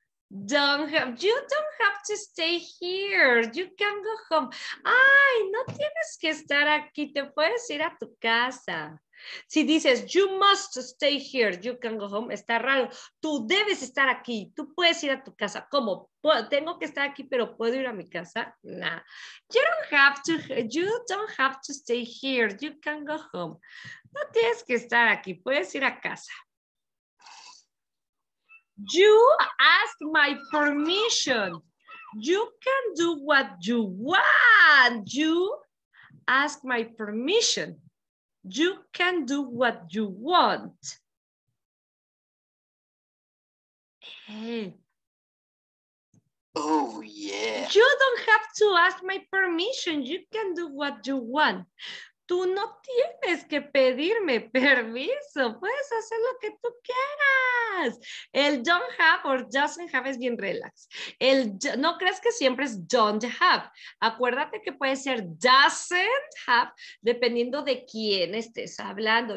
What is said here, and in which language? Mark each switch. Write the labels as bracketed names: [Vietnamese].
[English] You don't have to stay here. You can go home. [Spanish] Ay, no tienes que estar aquí. Te puedes ir a tu casa. Si dices, [English] you must stay here, you can go home, [Spanish] está raro. Tú debes estar aquí, tú puedes ir a tu casa. ¿Cómo? ¿Tengo que estar aquí, pero puedo ir a mi casa? Nah. [English] You don't have to stay here, you can go home. [Spanish] No tienes que estar aquí, puedes ir a casa. [English] You ask my permission. You can do what you want. You ask my permission. You can do what you want. Hey. Oh, yeah. You don't have to ask my permission. You can do what you want. [Spanish] Tú no tienes que pedirme permiso. Puedes hacer lo que tú quieras. El don't have or doesn't have es bien relax. El no creas que siempre es don't have. Acuérdate que puede ser doesn't have dependiendo de quién estés hablando.